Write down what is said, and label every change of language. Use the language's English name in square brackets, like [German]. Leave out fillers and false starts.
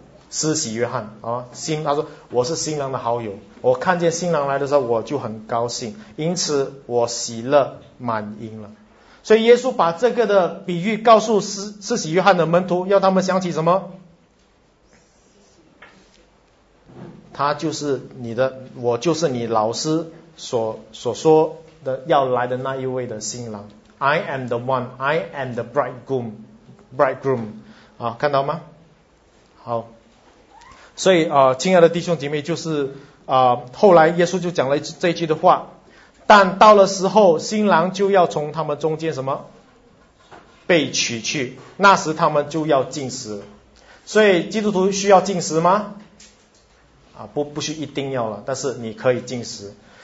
[Chinese] 施洗约翰啊。新他说，我是新郎的好友，我看见新郎来的时候我就很高兴，因此我喜乐满盈了。所以耶稣把这个的比喻告诉施洗约翰的门徒，要他们想起什么？他就是你的，我就是你老师所说的要来的那一位的新郎。 [English] I am the one, I am the bridegroom、 [Chinese] 啊、看到吗？好，所以、亲爱的弟兄姐妹，就是、后来耶稣就讲了这句的话，但到了时候新郎就要从他们中间什么被取去，那时他们就要进食。所以基督徒需要进食吗？啊，不需一定要了，但是你可以进食。